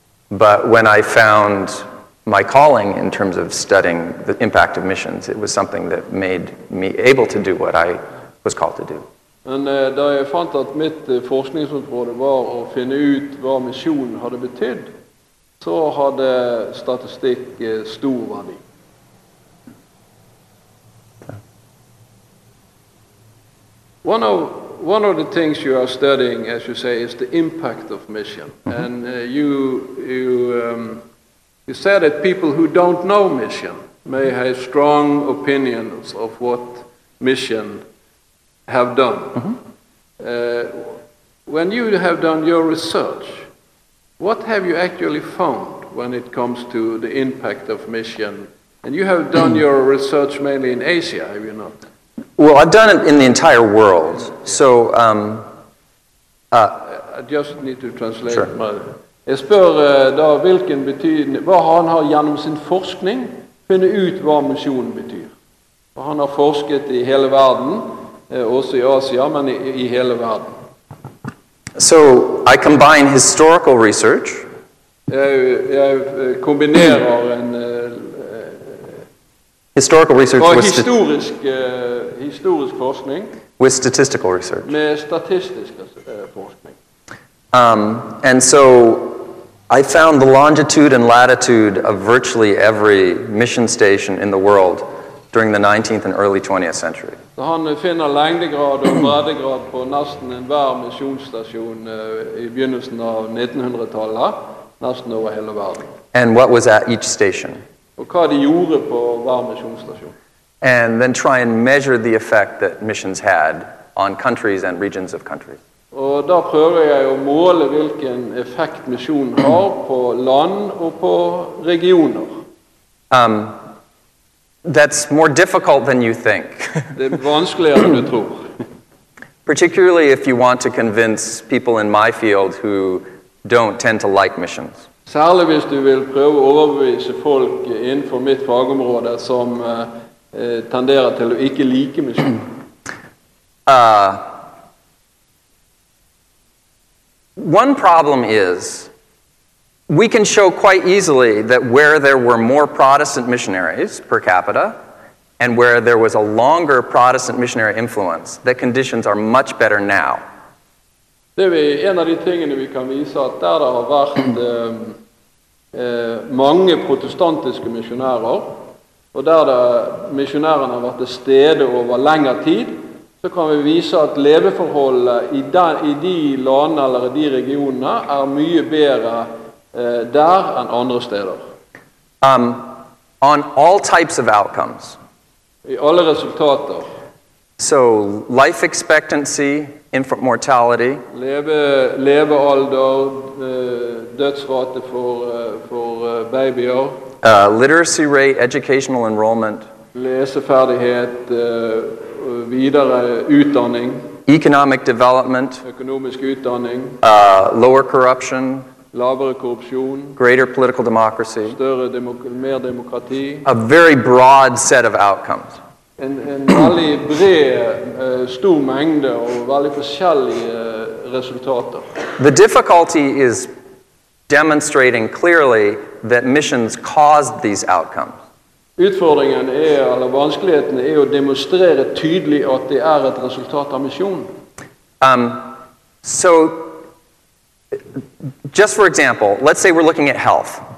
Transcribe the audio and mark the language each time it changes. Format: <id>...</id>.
<en>But when I found my calling in terms of studying the impact of missions, it was something that made me able to do what I was called to do.</en> <no>And da jeg fant at mitt forskningsområde var å finne ut hva mission hadde betydd, så hadde statistikk stor verdi.</no> <en>One of the things you are studying, as you say, is the impact of mission. Mm-hmm. And you said that people who don't know mission may have strong opinions of what mission have done. Mm-hmm. When you have done your research, what have you actually found when it comes to the impact of mission? And you have done your research mainly in Asia, have you not? Well, I've done it in the entire world, so... I just need to translate. Sure.</en> <no>Jeg spør da hvilken betydning, hva han har gjennom sin forskning funnet ut hva misjonen betyr. Han har forsket i hele verden, også i Asia, men i hele verden.</no> <en>So, I combine historical research.</en> <no>Jeg kombinerer en...</no> <en>historical research with</en> <no>historisk forskning</no> <en>with statistical research.</en> <no>Med statistisk forskning.</no> <en>And so I found the longitude and latitude of virtually every mission station in the world during the 19th and early 20th century.</en> <no>Så han finner lengdegrad og breddegrad på nesten enhver misjonsstasjon i begynnelsen av 1900-tallet, nesten over hele verden.</no> <en>And what was at each station?</en> <no>Og hva de gjorde på hver misjonsstasjon.</no> <en>And then try and measure the effect that missions had on countries and regions of countries.</en> <no>Og da prøver jeg å måle hvilken effekt misjonen har på land og på regioner.</no> <en>That's more difficult than you think.</en> <no>Det er vanskeligere enn du tror.</no> <en>Particularly if you want to convince people in my field who don't tend to like missions.</en> <no>Særlig hvis du vil prøve å overbevise folk innenfor mitt fagområde som tenderer til å ikke like misjon.</no> <en>One problem is, we can show quite easily that where there were more Protestant missionaries per capita, and where there was a longer Protestant missionary influence, that conditions are much better now.</en> <no>Det er en av de tingene vi kan vise at der det har vært... mange protestantiske misjonærer, og der misjonærene har vært til stede over lengre tid, så kan vi vise at leveforholdet i de landene eller i de regionene er mye bedre der enn andre steder.</no> <en>On all types of outcomes.</en> <no>I alle resultater.</no> <en>So life expectancy, infant mortality.</en> <no>Levealder, dødsrate for babyer.</no> <en>Literacy rate, educational enrollment.</en> <no>Leseferdighet, videre utdanning.</no> <en>Economic development.</en> <no>Økonomisk utdanning.</no> <en>Lower corruption.</en> <no>Lavere korrupsjon.</no> <en>Greater political democracy.</en> <no>Større mer demokrati.</no> <en>A very broad set of outcomes.</en> <no>En veldig bred, stor mengde og veldig forskjellige resultater.</no> <en>The difficulty is demonstrating clearly that missions caused these outcomes.</en> <no>Utfordringen er, eller vanskeligheten er, å demonstrere tydelig at det er et resultat av misjonen.</no> <en>So, just for example, let's say we're looking at health.</en>